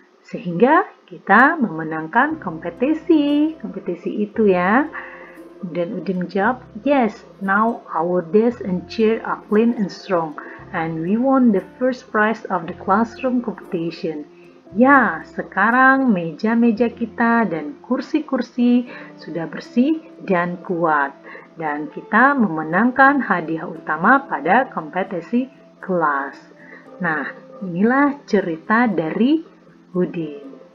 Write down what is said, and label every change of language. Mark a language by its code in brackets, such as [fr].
[id] Sehingga kita memenangkan kompetisi itu ya. Dan Udin jawab, [en] yes, now our desk and chair are clean and strong, and we won the first prize of the classroom competition. [id] Ya, sekarang meja-meja kita dan kursi-kursi sudah bersih dan kuat, dan kita memenangkan hadiah utama pada kompetisi kelas. Nah, inilah cerita dari Udin.